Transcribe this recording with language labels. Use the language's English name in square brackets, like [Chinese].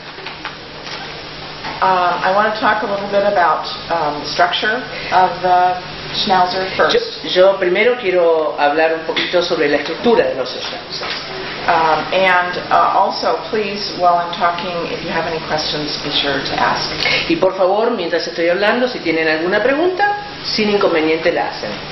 [English] I want to talk a little bit about structure of the Schnauzer first. [Spanish] Yo primero quiero hablar un poquito sobre la estructura de los Schnauzers. [English] Also, please, while I'm talking, if you have any questions, be sure to ask. [Spanish] Y por favor, mientras estoy hablando, si tienen alguna pregunta, sin inconveniente la hacen.